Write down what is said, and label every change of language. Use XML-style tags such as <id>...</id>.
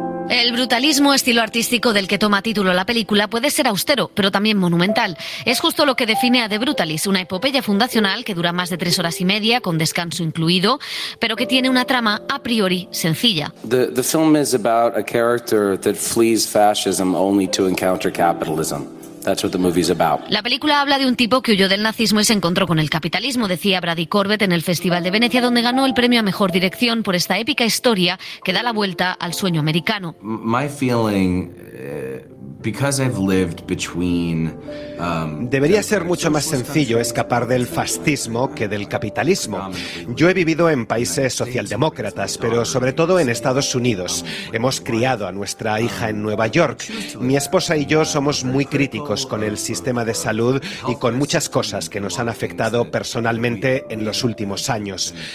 <es>El brutalismo, estilo artístico del que toma título la película, puede ser austero, pero también monumental. Es justo lo que define a The Brutalist, una epopeya fundacional que dura más de 3 horas y media, con descanso incluido, pero que tiene una trama a priori sencilla.</es> <en>The film is about a character that flees fascism only to encounter capitalism. That's what the movie's about.</en> <es>La película habla de un tipo que huyó del nazismo y se encontró con el capitalismo, decía Brady Corbett en el Festival de Venecia, donde ganó el premio a mejor dirección por esta épica historia que da la vuelta al sueño americano.</es> <en>My feeling, because I've lived between,</en> <es>debería ser mucho más sencillo escapar del fascismo que del capitalismo. Yo he vivido en países socialdemócratas, pero sobre todo en Estados Unidos. Hemos criado a nuestra hija en Nueva York. Mi esposa y yo somos muy críticos con el sistema de salud y con muchas cosas que nos han afectado personalmente en los últimos años.</es>